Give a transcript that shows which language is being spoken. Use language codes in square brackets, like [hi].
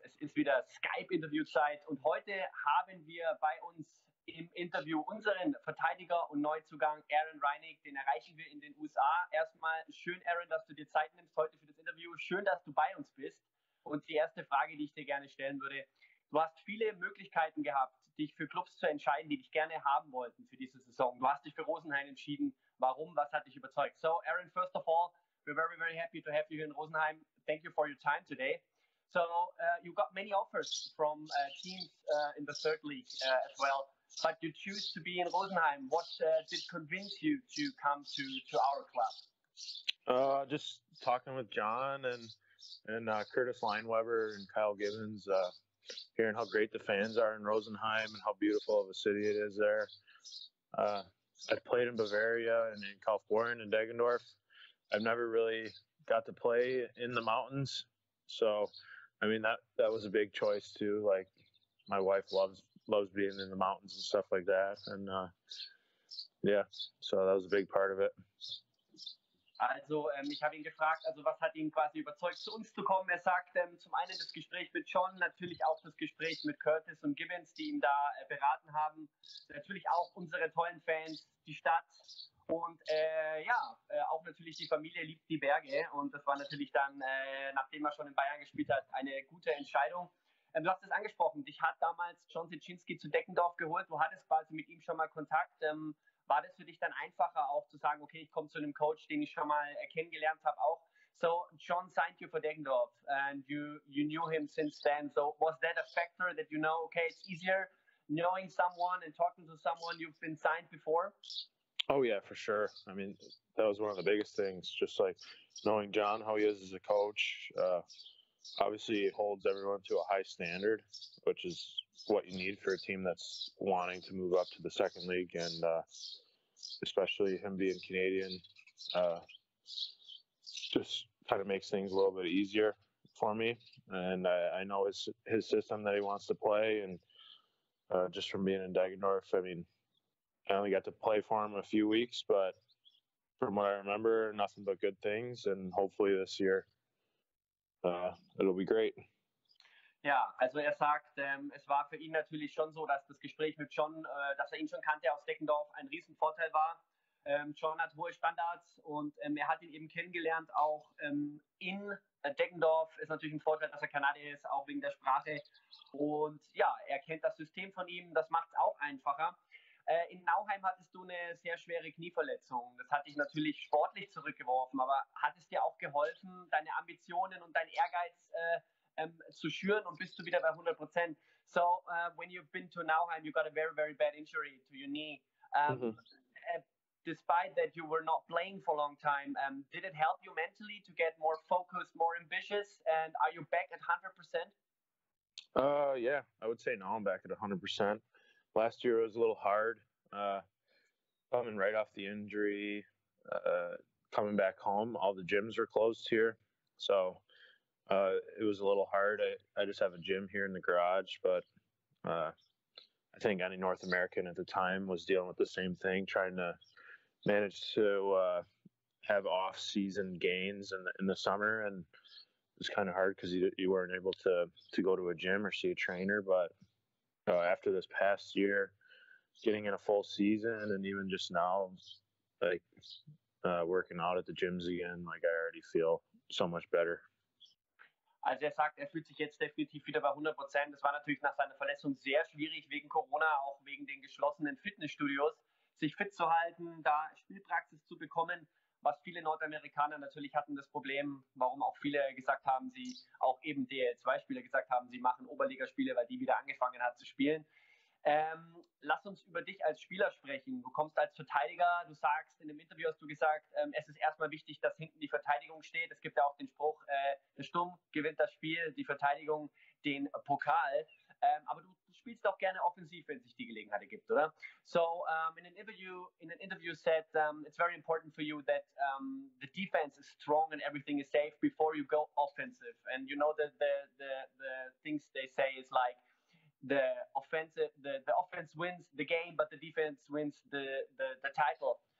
[de] Es ist wieder Skype-Interview-Zeit und heute haben wir bei uns im Interview unseren Verteidiger und Neuzugang Aaron Reinick. Den erreichen wir in den USA. Erstmal schön, Aaron, dass du dir Zeit nimmst heute für das Interview. Schön, dass du bei uns bist. Und die erste Frage, die ich dir gerne stellen würde: Du hast viele Möglichkeiten gehabt, dich für Clubs zu entscheiden, die dich gerne haben wollten für diese Saison. Du hast dich für Rosenheim entschieden. Warum? Was hat dich überzeugt? [en] So, Aaron, first of all, we're very, very happy to have you here in Rosenheim. Thank you for your time today. So you got many offers from teams in the third league as well, but you choose to be in Rosenheim. What did convince you to come to our club? Just talking with John and Curtis Lineweber and Kyle Gibbons, hearing how great the fans are in Rosenheim and how beautiful of a city it is there. I played in Bavaria and in Kaufbeuren and Deggendorf. I've never really got to play in the mountains. So, I mean, that was a big choice too. Like, my wife loves being in the mountains and stuff like that. And yeah, so that was a big part of it. [de] Also, ich habe ihn gefragt, also was hat ihn quasi überzeugt, zu uns zu kommen? Er sagt, zum einen das Gespräch mit John, natürlich auch das Gespräch mit Curtis und Gibbons, die ihn da beraten haben. Natürlich auch unsere tollen Fans, die Stadt. Und auch natürlich die Familie liebt die Berge. Und das war natürlich dann, nachdem er schon in Bayern gespielt hat, eine gute Entscheidung. Du hast es angesprochen, dich hat damals John Szczęsny zu Deggendorf geholt. Du hattest quasi mit ihm schon mal Kontakt. War das für dich dann einfacher auch zu sagen, okay, ich komme zu einem Coach, den ich schon mal kennengelernt habe auch. [en] So, John signed you for Deggendorf and you knew him since then. So, was that a factor that you know, okay, it's easier knowing someone and talking to someone you've been signed before? Oh yeah, for sure. I mean, that was one of the biggest things, just like knowing John, how he is as a coach. Obviously, he holds everyone to a high standard, which is what you need for a team that's wanting to move up to the second league, and especially him being Canadian, just kind of makes things a little bit easier for me. And I know his system that he wants to play, and just from being in Deggendorf, I mean, I only got to play for him a few weeks, but from what I remember, nothing but good things. And hopefully this year, it'll be great. [de] Ja, also er sagt, es war für ihn natürlich schon so, dass das Gespräch mit John, dass er ihn schon kannte aus Deggendorf, ein Riesenvorteil war. John hat hohe Standards und er hat ihn eben kennengelernt, auch in Deggendorf ist natürlich ein Vorteil, dass er Kanadier ist, auch wegen der Sprache. Und ja, er kennt das System von ihm, das macht es auch einfacher. In Nauheim hattest du eine sehr schwere Knieverletzung. Das hat dich natürlich sportlich zurückgeworfen, aber hat es dir auch geholfen, deine Ambitionen und dein Ehrgeiz zu schüren und bist du wieder bei 100%? [en] So, when you've been to Nauheim, you got a very, very bad injury to your knee. Despite that you were not playing for a long time, did it help you mentally to get more focused, more ambitious? And are you back at 100%? Yeah, I would say no, I'm back at 100%. Last year it was a little hard, coming right off the injury, coming back home, all the gyms were closed here, so it was a little hard. I just have a gym here in the garage, but I think any North American at the time was dealing with the same thing, trying to manage to have off-season gains in the summer, and it was kind of hard because you weren't able to go to a gym or see a trainer, but after this past year, getting in a full season, and even just now, like working out at the gyms again, like I already feel so much better. [de] Also er sagt, er fühlt sich jetzt definitiv wieder bei 100%. Das war natürlich nach seiner Verletzung sehr schwierig wegen Corona, auch wegen den geschlossenen Fitnessstudios, sich fit zu halten, da Spielpraxis zu bekommen. Was viele Nordamerikaner natürlich hatten, das Problem, warum auch viele gesagt haben, sie auch eben DL2-Spieler gesagt haben, sie machen Oberligaspiele, weil die wieder angefangen hat zu spielen. Lass uns über dich als Spieler sprechen. Du kommst als Verteidiger, du sagst, in dem Interview hast du gesagt, es ist erstmal wichtig, dass hinten die Verteidigung steht. Es gibt ja auch den Spruch, der Sturm gewinnt das Spiel, die Verteidigung den Pokal. Aber du spielst auch gerne offensiv, wenn sich die Gelegenheit ergibt, oder? [en] So, in an interview said, it's very important for you that the defense is strong and everything is safe before you go offensive. And you know the things they say is like, the offense wins the game, but the defense wins the title.